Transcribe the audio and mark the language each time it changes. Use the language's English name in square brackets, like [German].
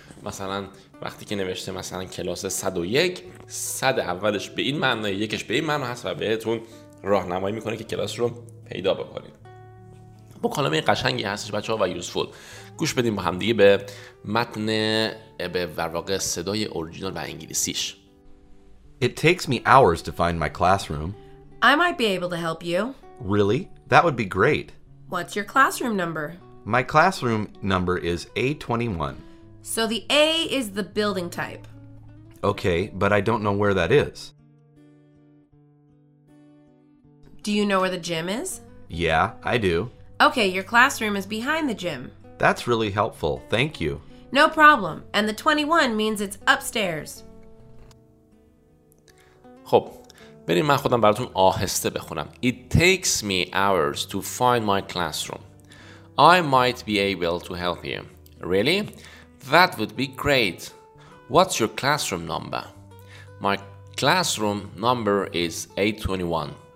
[Persian] مثلا وقتی که نوشته مثلا کلاس 101، 100 اولش به این معنی، یکش به این معنی هست و بهتون راهنمایی میکنه که کلاس رو پیدا بکنید. مکالمه قشنگی هستش بچه‌ها و یوزفول. گوش بدیم با هم دیگه به متن به واقع صدای اورجینال و انگلیسیش. [English] It takes me hours to find my classroom. I might be able to help you. Really? That would be great. What's your classroom number? My classroom number is A21. So the A is the building type. Okay, but I don't know where that is. Do you know where the gym is? Yeah, I do. Okay, your classroom is behind the gym. That's really helpful. Thank you. No problem. And the 21 means it's upstairs. [Persian] خب، بریم من خودم براتون آهسته بخونم. [English] It takes me hours to find my classroom. I might be able to help you. Really? That would be great. What's your classroom number? My classroom number is A21.